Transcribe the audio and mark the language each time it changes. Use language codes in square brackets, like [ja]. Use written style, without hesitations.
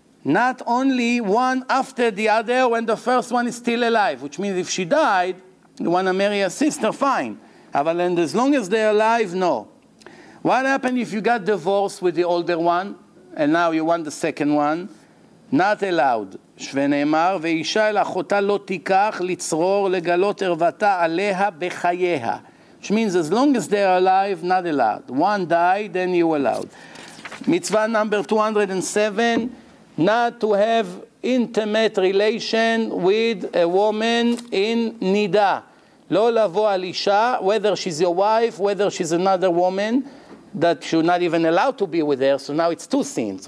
[en] Not only one after the other when the first one is still alive. Which means if she died, you want to marry a sister, fine. But as long as they're alive, no. What happened if you got divorced with the older one and now you want the second one? Not allowed. [he] שוונאמר, ואישה אל אחותה לא תיקח לצרור לגלות ערוותה עליה בחייה. [en] Which means as long as they are alive, not allowed. One died, then you allowed. Mitzvah number 207, not to have intimate relation with a woman in nida. [he] לא לבוא על אישה, [en] whether she's your wife, whether she's another woman, that she's not even allowed to be with her. So now it's two sins.